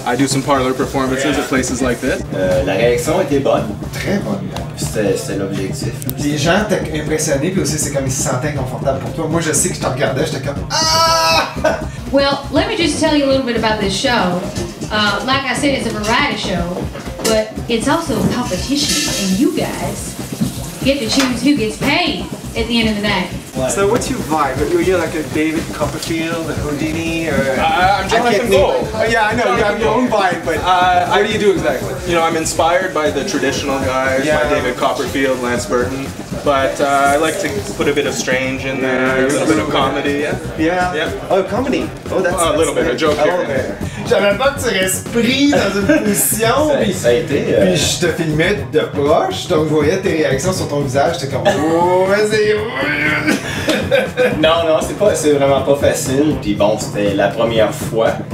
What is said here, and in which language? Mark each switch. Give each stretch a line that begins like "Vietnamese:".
English: I do some parlor performances at places like this.
French: La réaction était bonne. Très bonne. C'était l'objectif. Les gens t'ont impressionné, puis aussi c'est comme ils se sentaient inconfortables pour toi. Moi je sais que je te regardais, j'étais comme ah!
English: Well, let me just tell you a little bit about this show. Like I said, it's a variety show, but it's also a competition, and you guys get to choose who gets paid at the end of the night. So what's your vibe? Are you like a David Copperfield, a Houdini, or... I'm Jonathan Gold. Oh, yeah, I know, you have your own vibe, but what do you do exactly? You know, I'm inspired by the traditional guys, by David Copperfield, Lance Burton, but I like to put a bit of strange in there, a little bit of comedy, yeah. Oh, comedy. Oh, that's... A little bit, a joke here.
French: J'avais pas que tu respires dans une position. Ça a été. Puis je te filmais de proche, donc je voyais tes réactions sur ton visage, j'étais comme. Oh, vas-y! Non, non, c'est vraiment pas facile. Puis bon, c'était la première fois.